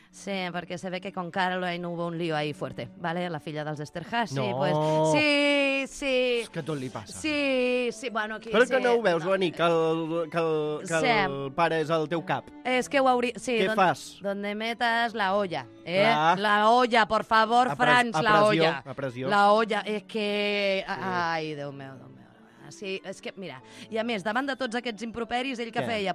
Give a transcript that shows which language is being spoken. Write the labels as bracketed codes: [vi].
[es] Sí, perquè se ve que con Caroline hubo un lío ahí fuerte, ¿vale? [ca] La filla dels Esterhazy, no. [es] Pues... Sí, sí... [ca] És que tot li passa. Sí, sí, bueno... Aquí, però sí, que no ho veus, Bení, que el pare és el teu cap. És que ho hauria... Sí, què fas? [es] Donde metes la olla, eh? [ca] Clar. [es] La olla, por favor, Franz, la olla. [ca] A pressió. La olla, és que... Sí. Ai, Déu meu... Sí, és que, mira, i a més, davant de tots aquests improperis, ell que feia?